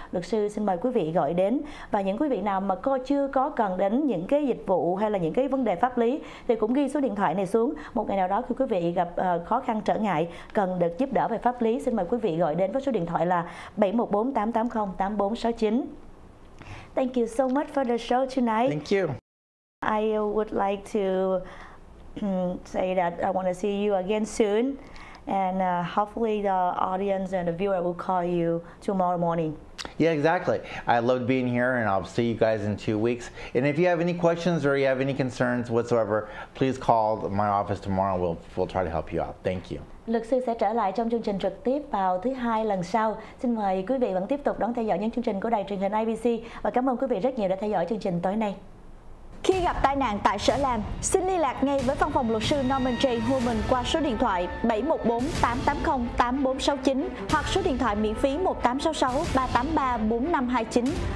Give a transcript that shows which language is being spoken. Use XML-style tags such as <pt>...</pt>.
<vi>Luật sư xin mời quý vị gọi đến. Và những quý vị nào mà chưa có cần đến những cái dịch vụ hay là những cái vấn đề pháp lý thì cũng ghi số điện thoại này xuống. Một ngày nào đó khi quý vị gặp khó khăn trở ngại, cần được giúp đỡ về pháp lý, xin mời quý vị gọi đến với số điện thoại là 714-880-8469.</vi> <en>Thank you so much for the show tonight. Thank you. I would like to say that I want to see you again soon. And hopefully the audience and the viewer will call you tomorrow morning. Yeah, exactly. I loved being here and I'll see you guys in 2 weeks. And if you have any questions or you have any concerns whatsoever, please call my office tomorrow. We'll try to help you out. Thank you.</en> <vi>Luật sư sẽ trở lại trong chương trình trực tiếp vào thứ hai lần sau. Xin mời quý vị vẫn tiếp tục đón theo dõi những chương trình của đài truyền hình ABC. Và cảm ơn quý vị rất nhiều đã theo dõi chương trình tối nay. Khi gặp tai nạn tại sở làm, xin liên lạc ngay với văn phòng luật sư Norman J. Holman qua số điện thoại 714-880-8469 hoặc số điện thoại miễn phí 1-866-383-4529.</vi>